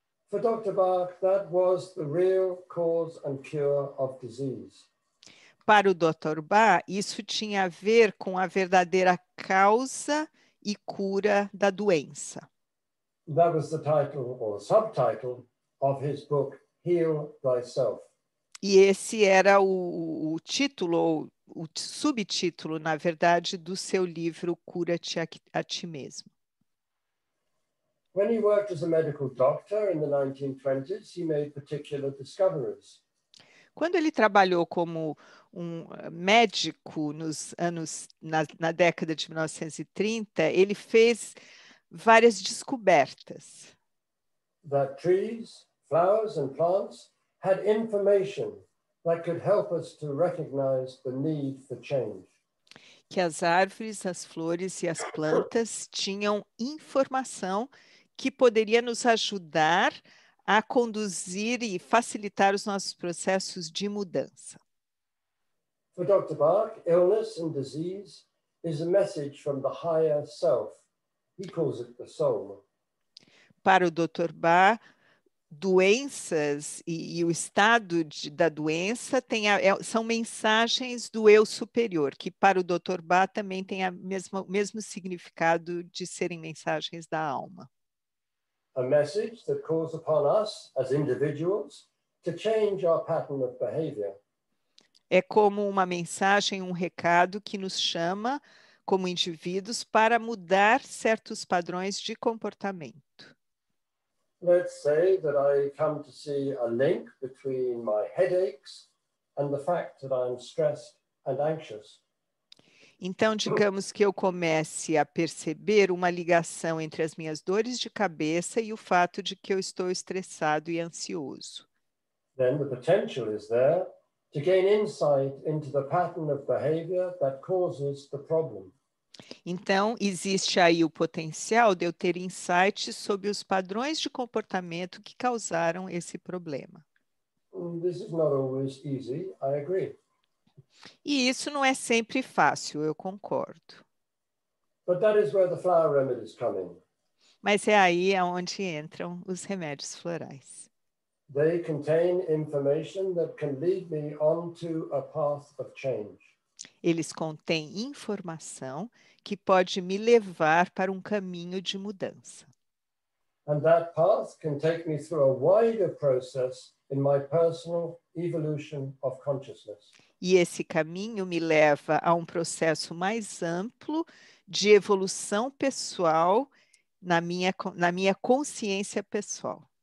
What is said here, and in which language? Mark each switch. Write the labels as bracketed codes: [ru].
[en] For Dr. Barth, that was the real cause and cure of disease. [pt] Para o Dr. Barth, isso tinha a ver com a verdadeira causa e cura da doença. [en] That was the title or subtitle of his book, Heal Thyself. [pt] E esse era o título, ou o subtítulo, na verdade, do seu livro Cura-te a ti mesmo. [en] When he worked as a medical doctor in the 1920s, he made particular discoveries. [pt] Quando ele trabalhou como um médico na década de 1930, ele fez várias descobertas. [en] That trees, flowers and plants had information that could help us to recognize the need for change. [pt] Que as árvores, as flores e as plantas tinham informação que poderia nos ajudar a conduzir e facilitar os nossos processos de mudança. [en] For Dr. Barth, illness and disease is a message from the higher self. He calls it the soul. [pt] Para o Dr. Barth, doenças e o estado da doença são mensagens do eu superior, que para o Dr. Barth também tem o mesmo significado de serem mensagens da alma. [en] A message that calls upon us as individuals to change our pattern of behavior. [pt] É como uma mensagem, um recado que nos chama como indivíduos para mudar certos padrões de comportamento. [en] Let's say that I come to see a link between my headaches and the fact that I'm stressed and anxious. [pt] Então, digamos que eu comece a perceber uma ligação entre as minhas dores de cabeça e o fato de que eu estou estressado e ansioso. [en] Then the potential is there to gain insight into the pattern of behavior that causes the problem. [pt] Então, existe aí o potencial de eu ter insights sobre os padrões de comportamento que causaram esse problema. [en] This is not always easy, I agree. [pt] E isso não é sempre fácil, eu concordo. [en] But that is where the flower remedies come in. [pt] Mas é aí onde entram os remédios florais. [en] They contain information that can lead me onto a path of change. [pt] Eles contêm informação que pode me levar para um caminho de mudança. [en] And that path can take me through a wider process in my personal evolution of consciousness. [pt] E esse caminho me leva a um processo mais amplo de evolução pessoal na minha consciência pessoal.